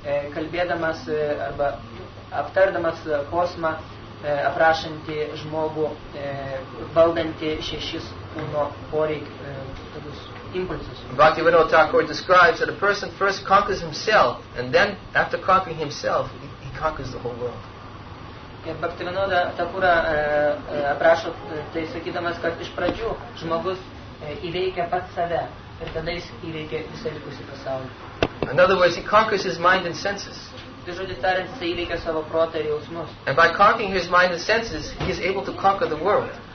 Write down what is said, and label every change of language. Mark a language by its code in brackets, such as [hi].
[en] Bhaktivinoda Thakur describes that a person first conquers himself, and then after conquering himself, he conquers the whole world. [lt] Bhaktivinoda Thakur aprašo tai sakydamas, kad iš pradžių žmogus įveikia pats save, ir tada jis įveikia visą likusį pasaulį. [en] In other words, he conquers his mind and senses. And by conquering his mind and senses, he is able to conquer the world.